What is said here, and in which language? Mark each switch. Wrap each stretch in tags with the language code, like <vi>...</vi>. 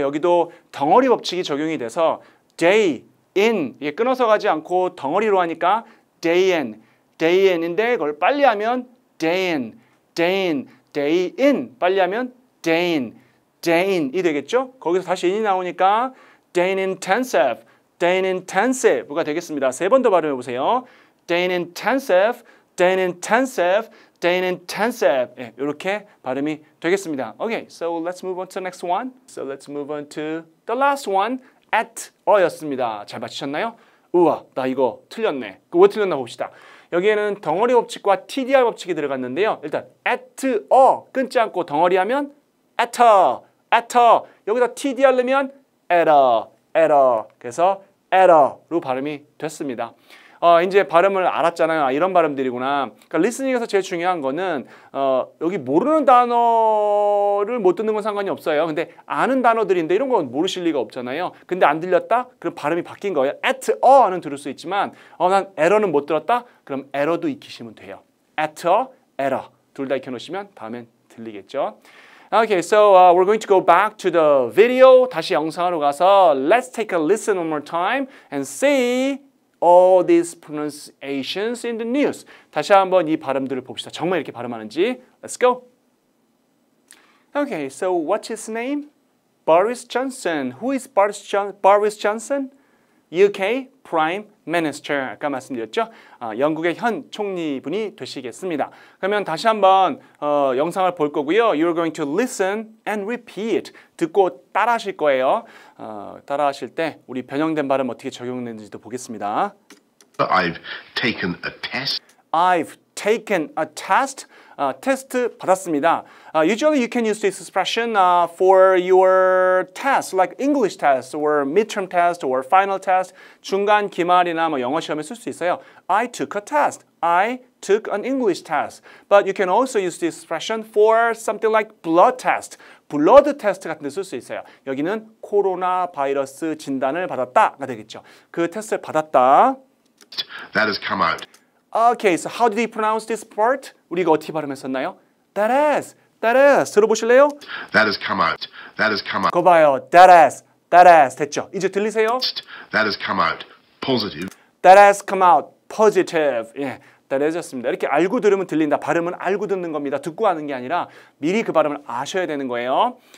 <ko>여기도 덩어리 법칙이 적용이 돼서 day in 이게 끊어서 가지 않고 덩어리로 하니까 day in, day in인데 그걸 빨리 하면 day in, day in, day in 빨리 하면 day in, day in이 되겠죠? 거기서 다시 in이 나오니까 day in intensive, day in intensive가 되겠습니다. 세 번 더 발음해 보세요.</ko> <en>Day in intensive, day in intensive. Day in intensive.</en> <ko>예, 이렇게 발음이 되겠습니다.</ko> <en>Okay, so let's move on to the next one. So let's move on to the last one.</en> <ko>At a였습니다. 잘 맞히셨나요? 우와, 나 이거 틀렸네. 그 왜 틀렸나 봅시다. 여기에는 덩어리 법칙과 TDR 법칙이 들어갔는데요. 일단 at a 끊지 않고 덩어리 하면 at a, at a. 여기다 TDR 넣으면 at a, at a. 그래서 at a로 발음이 됐습니다. 이제 발음을 알았잖아요. 아, 이런 발음들이구나. 그러니까 리스닝에서 제일 중요한 거는 여기 모르는 단어를 못 듣는 건 상관이 없어요. 근데 아는 단어들인데 이런 건 모르실 리가 없잖아요. 근데 안 들렸다? 그럼 발음이 바뀐 거예요. At a는 들을 수 있지만 난 error는 못 들었다? 그럼 error도 익히시면 돼요. At a, error. 둘 다 익혀놓으시면 다음엔 들리겠죠.</ko> <en>Okay, so we're going to go back to the video.</en> <ko>다시 영상으로 가서</ko> <en>Let's take a listen one more time and see all these pronunciations in the news.</en> <ko>다시 한번 이 발음들을 봅시다. 정말 이렇게 발음하는지.</ko> <en>Let's go. Okay, so what's his name? Boris Johnson. Who is Boris Johnson? UK Prime Minister.</en> <ko>아까 말씀드렸죠? 영국의 현 총리분이 되시겠습니다. 그러면 다시 한번 영상을 볼 거고요.</ko> <en>You're going to listen and repeat.</en> <ko>듣고 따라하실 거예요. 따라하실 때 우리 변형된 발음 어떻게 적용되는지도 보겠습니다.</ko> <en>I've taken a test. I've taken a test.</en> <ko>테스트 받았습니다.</ko> <en>Usually you can use this expression for your test, like English test or midterm test or final test.</en> <ko>중간 기말이나 뭐 영어 시험에 쓸 수 있어요.</ko> <en>I took a test. I took an English test. But you can also use this expression for something like blood test.</en> <ko>Blood test 같은 데 쓸 수 있어요. 여기는 코로나 바이러스 진단을 받았다가 되겠죠. 그 테스트를 받았다.</ko> <en>That has come out. Okay, so how did he pronounce this part?</en> <ko>우리가 어떻게 발음했었나요?</ko> <en>That has, that has.</en> <ko>들어보실래요?</ko> <en>That has come out. That has come out.</en> <ko>거 봐요.</ko> <en>That has, that has.</en> <ko>됐죠? 이제 들리세요?</ko> <en>That has come out. Positive. That has come out. Positive.</en> <ko>예, that has였습니다. 이렇게 알고 들으면 들린다. 발음은 알고 듣는 겁니다. 듣고 하는 게 아니라 미리 그 발음을 아셔야 되는 거예요.</ko>